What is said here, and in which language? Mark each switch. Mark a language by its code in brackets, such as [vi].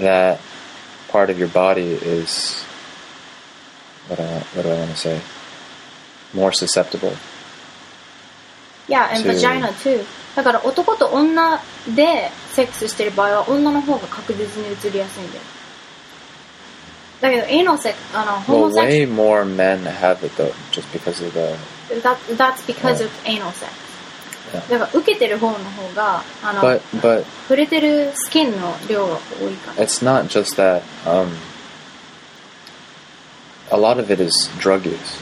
[en] That part of your body is, what do I want to say, more susceptible. Yeah, and vagina too. [ja] だから男と女でセックスしてる場合は女の方が確実に移りやすいんだよ。だけど、エイノセックス、ホモセックス。 [en] Well, way more men have it though, just because of the... That's because of anal sex. [ja] だから受けてる方の方が、 [en] But [ja] 触れてるスキンの量が多いから。 [en] It's not just that, a lot of it is drug use.